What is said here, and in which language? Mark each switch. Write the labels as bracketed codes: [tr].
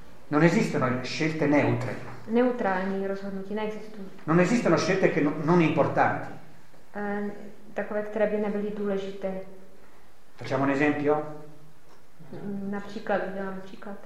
[it] Non esistono scelte neutre. [cs] Neutrální rozhodnutí neexistují. [it] Non esistono scelte che non importanti. [cs] Takové, které by nebyly důležité. [it] Facciamo un esempio? [cs] Například, uděláme příklad.